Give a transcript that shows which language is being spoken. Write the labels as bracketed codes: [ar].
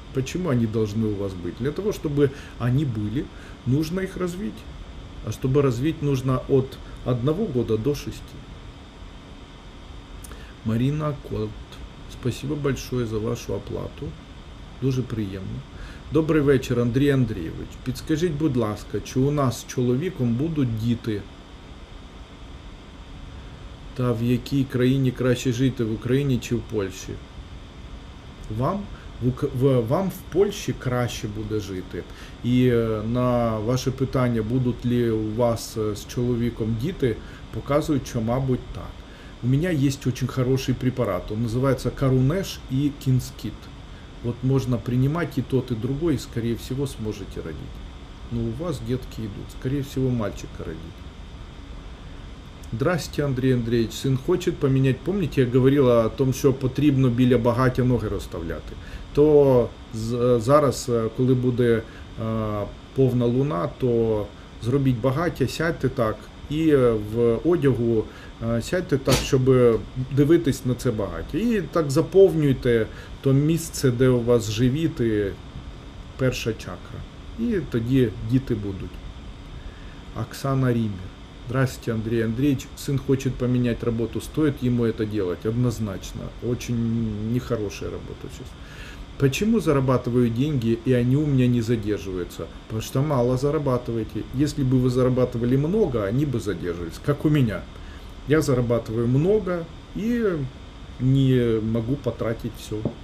[ru] Почему они должны у вас быть? Для того, чтобы они были, нужно их развить. А чтобы развить, нужно от 1 года до 6. Марина Кот, спасибо большое за вашу оплату. [uk] Дуже приємно. Добрий вечір, Андрій Андрійович. Підскажіть, будь ласка, чи у нас з чоловіком будуть діти? Та в якій країні краще жити, в Україні чи в Польщі? Вам в Польщі краще буде жити. І на ваше питання, будуть ли у вас з чоловіком діти, показують, що мабуть так. У мене є дуже хороший препарат, він називається Карунеш і Кінскіт. [ru] Вот можно принимать и тот, и другой, и, скорее всего, сможете родить. Но у вас детки идут. Скорее всего, мальчика родить. Здрасте, Андрій Андрійович. Син хочет поменять. Помните, я говорила о том, что [uk] потрібно біля багаття ноги розставляти. То зараз, коли буде повна луна, то зробіть багаття, сядьте так. І в одягу сядьте так, щоб дивитись на це багаття. І так заповнюйте то місце, де у вас живіти, перша чакра. І тоді діти будуть. Оксана Рімір. Здрасте, Андрій Андрійович. Син хоче поміняти роботу. Стоїть йому це робити? Однозначно. [ru] Очень нехороша [uk] робота зараз. [ru] Почему зарабатываю деньги, и они у меня не задерживаются? Потому что мало зарабатываете. Если бы вы зарабатывали много, они бы задерживались, как у меня. Я зарабатываю много и не могу потратить все.